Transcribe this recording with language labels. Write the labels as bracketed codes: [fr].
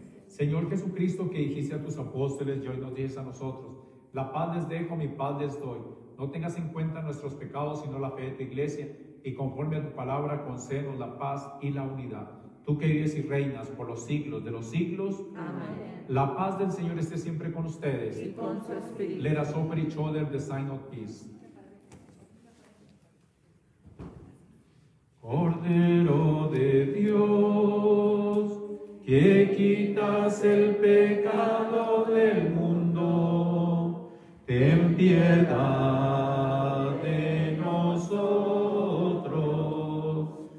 [es] Señor Jesucristo, que dijiste a tus apóstoles y hoy nos dices a nosotros, la paz les dejo, mi paz les doy. No tengas en cuenta nuestros pecados, sino la fe de tu iglesia, y conforme a tu palabra, concédenos la paz y la unidad. Tú que vives y reinas por los siglos de los siglos. Amén. La paz del Señor esté siempre con ustedes. Y con su espíritu. [en] Let us offer each other the sign of peace. [es] Cordero de Dios, que quitas el pecado del mundo, ten piedad de nosotros.